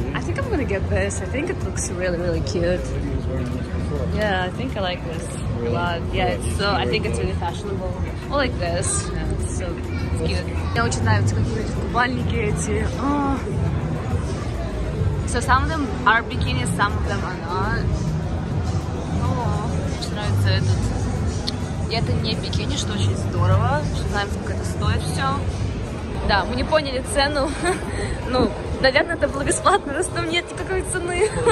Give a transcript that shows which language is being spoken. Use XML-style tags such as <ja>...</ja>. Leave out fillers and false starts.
<en>I think I'm gonna get this. I think it looks really, really cute. Yeah, I think I like this a lot. Yeah, it's so, I think it's really fashionable. I like this. Yeah. so it's cute.</en> <ru>Мне очень нравятся какие-то купальники эти.</ru> <en>So some of them are bikini, some of them are not.</en> <ru>Мне нравится этот. И это не бикини, что очень здорово, что знаем, сколько это стоит все. Да, мы не поняли цену. Ну, наверное, это было бесплатно, раз там нет никакой цены.</ru>